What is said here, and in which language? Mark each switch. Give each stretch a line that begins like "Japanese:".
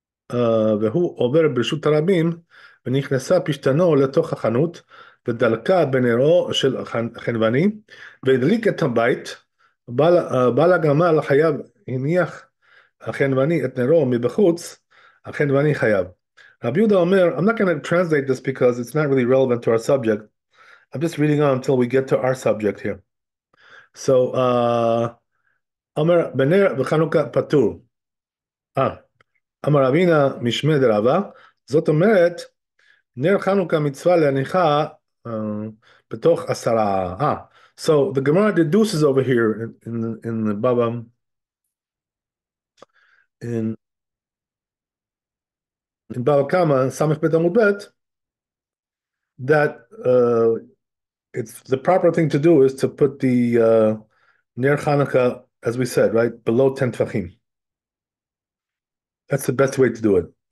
Hebrew: Ve'hu Over B'Rishut HaRabim, Ve'nichnesa Pishtano Letoch HaChanut, ודלקה בנרו של חנווני, והדליק את הבית, בעל הגמל חייב, הניח החנווני את נרו מבחוץ, החנווני חייב. רבי יהודה אומר,
English: I'm not going to translate this because it's not really relevant to our subject. I'm just reading on until we get to our subject here.
Hebrew: So, אומר, בנר בחנוכה פטור. אמר אבינה משמי דרבה, זאת אומרת, נר חנוכה מצווה להניחה, בתוך עשרה.
English: So the Gemara deduces over here in the Baba in Baba Kama Samech Bet Amud Bet that it's the proper thing to do is to put the Ner Chanukah, as we said, right below 10 Tefachim. That's the best way to do it.